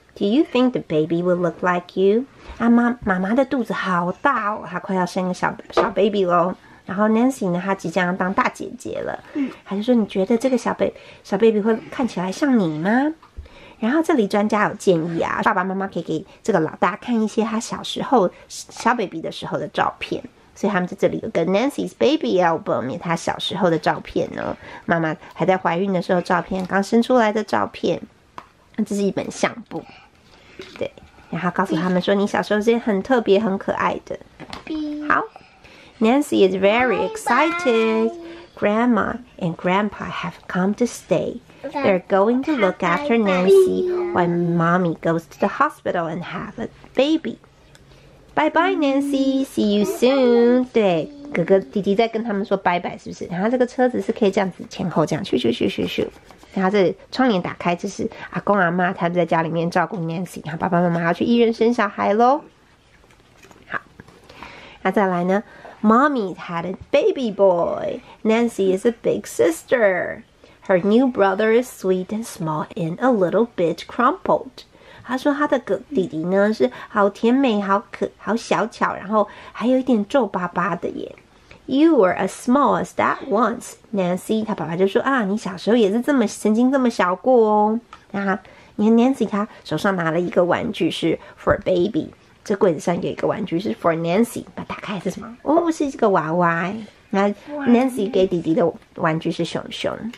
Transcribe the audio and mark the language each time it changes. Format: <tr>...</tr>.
<en>Do you think the baby will look like you?</en> <zh>啊，妈妈的肚子好大哦，她快要生个小 baby 咯。然后 Nancy 呢，她即将要当大姐姐了。嗯，她就说，你觉得这个小 baby 会看起来像你吗？然后这里专家有建议啊，爸爸妈妈可以给这个老大看一些他小时候小 baby 的时候的照片，所以他们在这里有个 Nancy's Baby Album， 他小时候的照片哦，妈妈还在怀孕的时候照片，刚生出来的照片，这是一本相簿，对，然后告诉他们说你小时候是很特别很可爱的。</zh> <en>好， Nancy is very excited. Grandma and Grandpa have come to stay. They're going to look after Nancy while Mommy goes to the hospital and have a baby. Bye bye, Nancy. See you soon.</en> <zh>对，哥哥弟弟在跟他们说拜拜，是不是？然后这个车子是可以这样子前后这样咻咻咻咻咻。然后这窗帘打开，就是阿公阿妈他们在家里面照顾 Nancy， 然后爸爸妈妈要去医院生小孩喽。好，那再来呢</zh> <en>？Mommy had a baby boy. Nancy is a big sister. Her new brother is sweet and small and a little bit crumpled.</en> <zh>他说他的弟弟呢是好甜美、好可、好小巧，然后还有一点皱巴巴的耶。</zh> <en>You were as small as that once, Nancy.</en> <zh>他爸爸就说啊，你小时候也是这么曾经这么小过哦。那你看 Nancy 他手上拿了一个玩具是</zh> <en>for a baby，</en> <zh>这柜子上有一个玩具是</zh> <en>for Nancy，</en> <zh>把它打开是什么？哦，是一个娃娃。那 Nancy 给弟弟的玩具是熊熊。</zh>